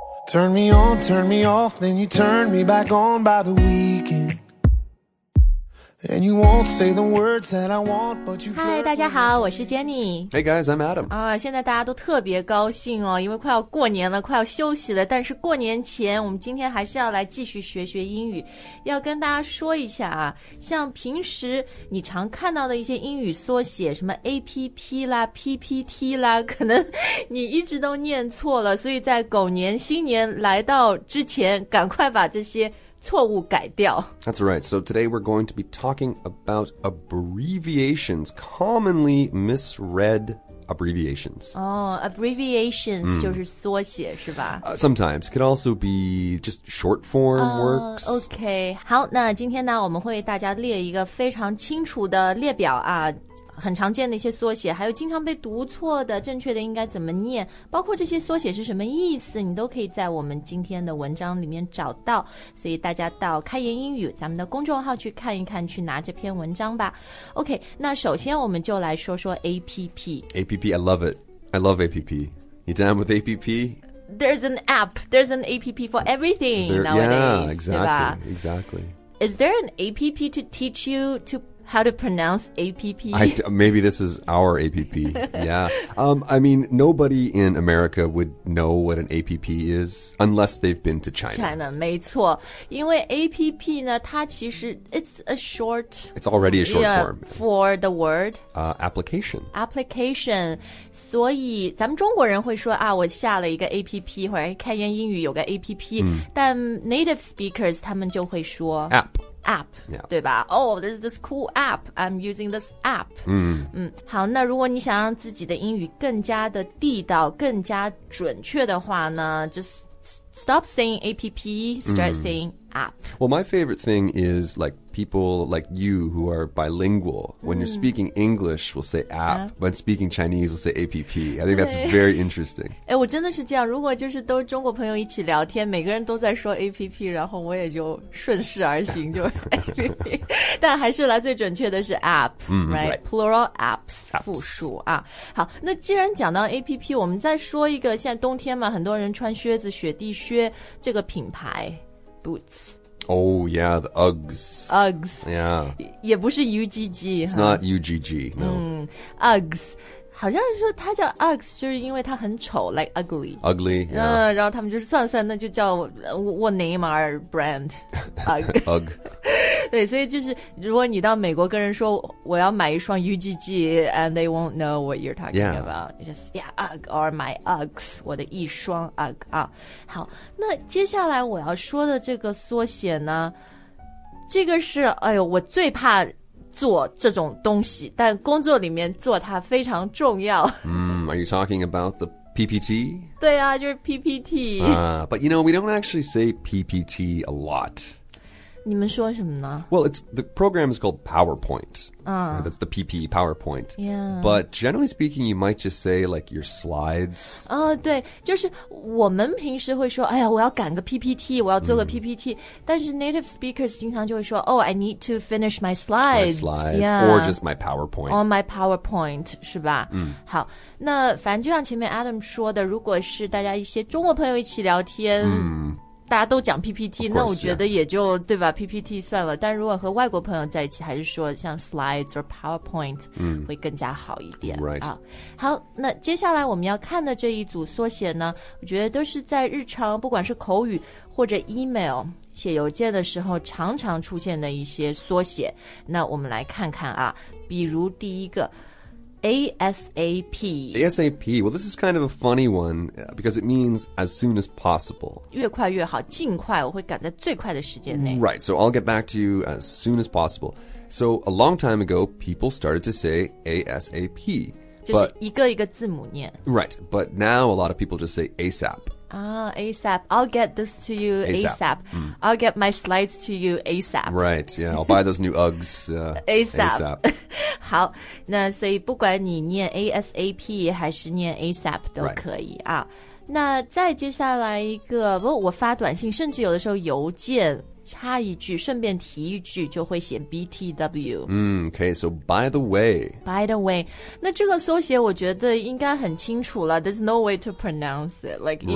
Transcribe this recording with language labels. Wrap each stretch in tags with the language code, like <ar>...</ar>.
<en>Turn me on, turn me off, then you turn me back on by the weekend. And you won't say the words that I want, but you've heard.</en> <zh>Hi, 大家好，我是 Jenny.</zh> <en>Hey guys, I'm Adam.</en> <zh>现在大家都特别高兴哦，因为快要过年了，快要休息了。但是过年前，我们今天还是要来继续学学英语。要跟大家说一下啊，像平时你常看到的一些英语缩写，什么 APP 啦、PPT 啦，可能你一直都念错了。所以在狗年新年来到之前，赶快把这些错误改掉。</zh> <en>That's right. So today we're going to be talking about abbreviations, commonly misread abbreviations. Oh, abbreviations,</en> <zh>就是缩写是吧</zh> <en>Sometimes. Could also be just short form works. Okay.</en> <zh>好，那今天呢，我们会为大家列一个非常清楚的列表啊。很常见的一些缩写，还有经常被读错的，正确的应该怎么念，包括这些缩写是什么意思，你都可以在我们今天的文章里面找到。所以大家到开言英语咱们的公众号去看一看，去拿这篇文章吧。 OK, 那首先我们就来说说 APP.</zh> <en>APP, I love it. I love APP. You down with APP? There's an app. There's an APP for everything nowadays. Yeah, exactly, exactly. Is there an APP to teach you toHow to pronounce APP? Maybe this is our APP. Yeah. I mean, nobody in America would know what an APP is unless they've been to China.</en> <zh>China, 没错。因为 APP 呢它其实</zh> <en>it's a short... It's already a short form. For the word? Application. Application.</en> <zh>所以咱们中国人会说啊我下了一个 APP, 或者开言英语有个 APP,但</zh> <en>native speakers</en> <zh>他们就会说</zh> <en>App, yeah.</en> <zh>对吧</zh> <en>Oh, there's this cool app. I'm using this app.</en> <zh>好，那如果你想让自己的英语更加的地道，更加准确的话呢</zh> <en>just stop saying APP, start saying app. Well, my favorite thing is like people like you who are bilingual. When you're speaking English, we'll say app. When speaking Chinese, we'll say APP. I think that's very interesting.</en> <zh>哎，我真的是这样。如果就是都中国朋友一起聊天，每个人都在说 APP, 然后我也就顺势而行，就 APP. 但还是来最准确的是 app,</zh> <en>right? Plural apps,</en> <zh>复数啊。好，那既然讲到 APP, 我们再说一个，现在冬天嘛，很多人穿靴子，雪地靴这个品牌。</zh> <en>Boots. Oh, yeah, the Uggs. Uggs. Yeah.</en> <zh>也不是 UGG,</zh> <en>It's、 huh? not UGG, no. Uggs.</en> <zh>好像说它叫 Uggs, 就是因为它很丑 like ugly.</zh> <en>Ugly, yeah.</en> <zh>然后他们就是算算那就叫</zh> <en>what name our brand? Ugg. Ugg.</en> <zh>对，所以就是如果你到美国跟人说我要买一双 UGG,</zh> <en>and they won't know what you're talking、 yeah. about. Just, yeah, Ugg, or my Uggs,</en> <zh>我的一双 Ugg. 啊，好，那接下来我要说的这个缩写呢，这个是，哎呦，我最怕做这种东西，但工作里面做它非常重要。</zh> <en>Are you talking about the PPT?</en> <zh>对啊，就是 PPT.</zh> <en>But you know, we don't actually say PPT a lot. 你们说什么呢 Well, it's, the program is called PowerPoint. That's the PP, PowerPoint. Yeah. But generally speaking, you might just say like your slides.</en> <zh>对，就是我们平时会说，哎呀，我要赶个 PPT, 我要做个 PPT. 但是</zh> <en>native speakers</en> <zh>经常就会说 ,</zh> <en>Oh, I need to finish my slides. My slides, yeah. Or just my PowerPoint. Or my PowerPoint,</en> <zh>是吧？好，那反正就像前面 Adam 说的，如果是大家一些中国朋友一起聊天大家都讲 PPT,</zh> <en>course,</en> <zh>那我觉得也就、</zh> <en>yeah.</en> <zh>对吧 ,PPT 算了。但如果和外国朋友在一起还是说像</zh> <en>slides or PowerPoint</en> <zh>会更加好一点。</zh> <en>Right.</en> <zh>好，那接下来我们要看的这一组缩写呢，我觉得都是在日常不管是口语或者 email, 写邮件的时候常常出现的一些缩写。那我们来看看啊，比如第一个ASAP.</zh> <en>ASAP. Well, this is kind of a funny one because it means as soon as possible.</en> <zh>越快越好，尽快，我会赶在最快的时间内。</zh> <en>Right, so I'll get back to you as soon as possible. So a long time ago, people started to say ASAP. 就是一个一个字母念。 Right, but now a lot of people just say ASAP. ASAP. I'll get this to you ASAP. I'll get my slides to you ASAP. Right, yeah. I'll buy those new Uggs ASAP.</en> <zh>好，那所以不管你念 ASAP 还是念 ASAP 都可以、</zh> <en>right.</en> <zh>啊。那再接下来一个，我发短信，甚至有的时候邮件插一句顺便提一句就会写 BTW、</zh> <en>Okay, so by the way.</en> <zh>By the way, 那这个缩写我觉得应该很清楚了</zh> <en>There's no way to pronounce it, like even</en>